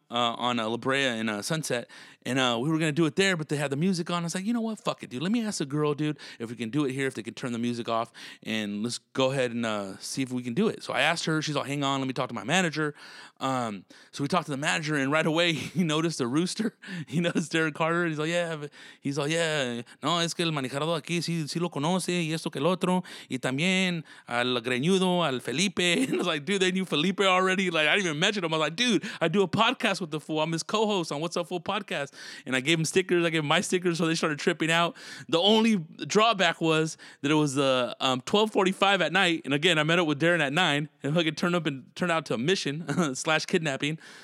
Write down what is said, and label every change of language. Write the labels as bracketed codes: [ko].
[en] On La Brea in Sunset, and we were going to do it there, but they had the music on. I was like, you know what? Fuck it, dude. Let me ask a girl, dude, if we can do it here, if they can turn the music off, and let's go ahead and see if we can do it. So I asked her. She's like, hang on. Let me talk to my manager. So we talked to the manager, and right away, he noticed a rooster. He noticed Darren Carter, and he's like, yeah. [es] No, es que el manejador aquí sí lo conoce, y esto que el otro, y también al greñudo, al Felipe. [en] And I was like, dude, they knew Felipe already. Like, I didn't even mention him. I was like, dude, I do a podcast with the fool. I'm his co-host on What's Up Fool podcast, and I gave him stickers. I gave him my stickers, so they started tripping out. The only drawback was that it was 12:45 at night, and again, I met up with Darren at 9, and it turned out to a mission / kidnapping.